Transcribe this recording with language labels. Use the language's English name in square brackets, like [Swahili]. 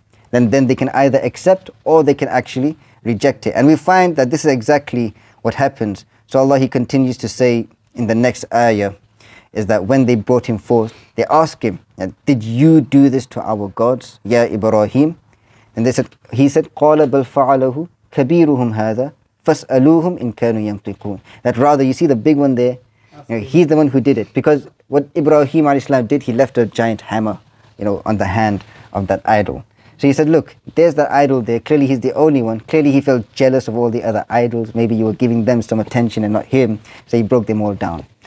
[English] Then they can either accept or they can actually reject it. And we find that this is exactly what happens. So Allah, He continues to say in the next ayah, is that when they brought him forth, they asked him, did you do this to our gods, Ya Ibrahim? And he said, [Arabic] قَالَ بَلْ فَعَلَهُ كَبِيرُهُمْ هَذَا فَاسْأَلُوهُمْ إِن كَانُوا يَنْطِقُونَ. [English] That rather, you see the big one there? You know, he's the one who did it. Because what Ibrahim a.s. did, he left a giant hammer, you know, on the hand of that idol. So he said, look, there's that idol there. Clearly he's the only one. Clearly he felt jealous of all the other idols. Maybe you were giving them some attention and not him. So he broke them all down.